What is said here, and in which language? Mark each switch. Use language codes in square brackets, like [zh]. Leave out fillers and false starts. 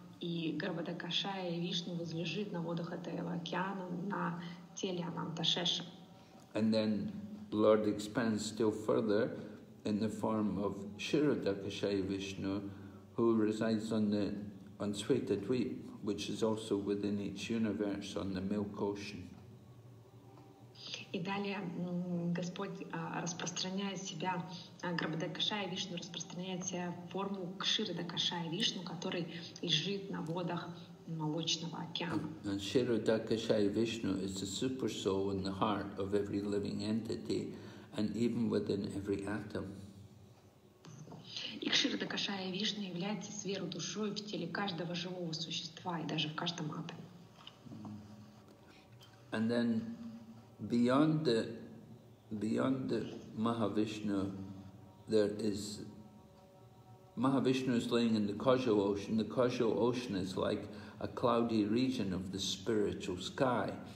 [ru] И Гарбхадакшая Вишну возлежит на водах этого океана на теле Анантасеша. [en] And then Lord expands still further in the form of Shirodakshaya Vishnu, who resides on Svetadvipa, which is also within each universe on the milk ocean. [ru] И далее Господь распространяет себя, Грабдакашая Вишну распространяет себя в форму Кширадакашая Вишну, который лежит на водах молочного океана. [en] And Kshiradakshaya Vishnu is the super soul in the heart of every living entity and even within every atom. [ru] И Кширадакшая Вишна является сверхдушой в теле каждого живого существа и даже в каждом атоме. [en] And then beyond the Mahavishnu, there is Mahavishnu is laying in the causal ocean. The causal ocean is like a cloudy region of the spiritual sky.